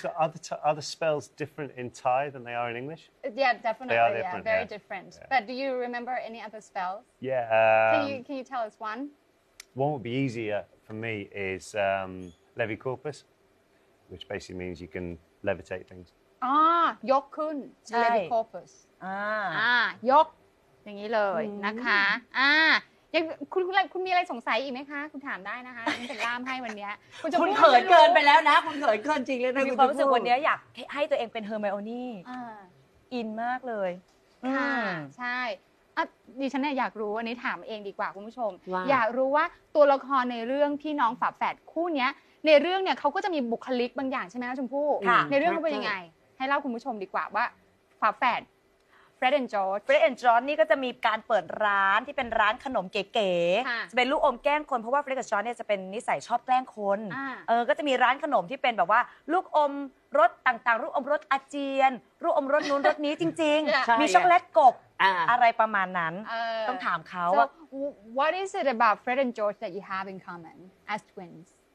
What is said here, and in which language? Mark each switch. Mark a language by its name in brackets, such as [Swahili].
[English] So are the spells different in Thai than they are in English? Yeah, definitely. They are different. Yeah, very different. Yeah. But do you remember any other spells? Yeah. Can you tell us one? One would be easier for me is Levi Corpus, which basically means you can levitate things. [Thai] ยกขึ้น Levi Corpus. ยกอย่างนี้เลยนะคะยังคุณมีอะไรสงสัยอีกไหมคะคุณถามได้นะคะฉันเป็นล่ามให้วันนี้คุณเขินเกินไปแล้วนะคุณเขินเกินจริงเลยนะ มีความรู้สึกวันนี้อยากให้ตัวเองเป็นเฮอร์ไมโอนี่อินมากเลย ค่ะใช่ดิฉันเนี่ยอยากรู้อันนี้ถามเองดีกว่าคุณผู้ชมอยากรู้ว่าตัวละครในเรื่องพี่น้องฝาแฝดคู่นี้ในเรื่องเนี่ยเขาก็จะมีบุคลิกบางอย่างใช่ไหมชมพู่ ในเรื่องเขาเป็นยังไงให้เล่าคุณผู้ชมดีกว่าว่าฝาแฝดFred and George. Fred and George นี่ก็จะมีการเปิดร้านที่เป็นร้านขนมเก๋ๆจะเป็นลูกอมแกล้งคนเพราะว่า Fred กับ George เนี่ยจะเป็นนิสัยชอบแกล้งคนก็จะมีร้านขนมที่เป็นแบบว่าลูกอมรสต่างๆลูกอมรสอาเจียนลูกอมรสนู้นรสนี้จริงๆมีช็อกโกแลตกบอะไรประมาณนั้นต้องถามเขาว่า [English] What is it about Fred and George that you have in common as twins?